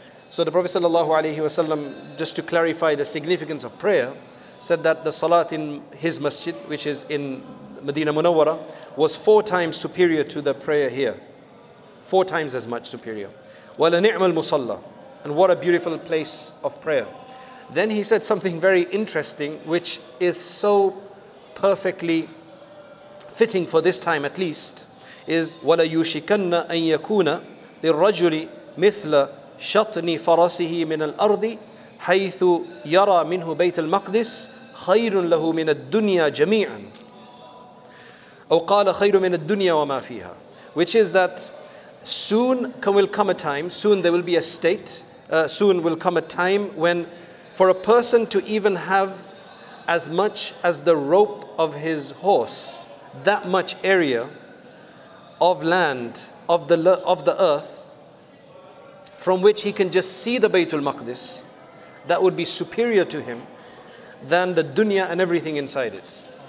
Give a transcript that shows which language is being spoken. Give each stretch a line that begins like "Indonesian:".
English: So the Prophet sallallahu alayhi wa sallam, just to clarify the significance of prayer, said that the salat in his masjid, which is in Medina Munawwara, was four times superior to the prayer here. Four times as much superior.
Arabic: Wala ni'mal musalla.
English: And what a beautiful place of prayer. Then he said something very interesting, which is so perfectly fitting for this time at least, is
Arabic: وَلَا يُشِكَنَّ أَن يَكُونَ لِلرَّجُلِ مِثْلَ شَطْنِ فَرَسِهِ مِنَ الْأَرْضِ حَيْثُ يَرَى مِنْهُ بَيْتَ الْمَقْدِسِ خَيْرٌ لَهُ مِنَ الدُّنْيَا جَمِيعًا أَوْ قَالَ خَيْرٌ مِنَ الدُّنْيَا وَمَا فِيهَا.
English: Which is that soon will come a time, soon there will be a state, soon will come a time when for a person to even have as much as the rope of his horse, that much area of land, of the earth, from which he can just see the Baytul Maqdis, that would be superior to him than the dunya and everything inside it.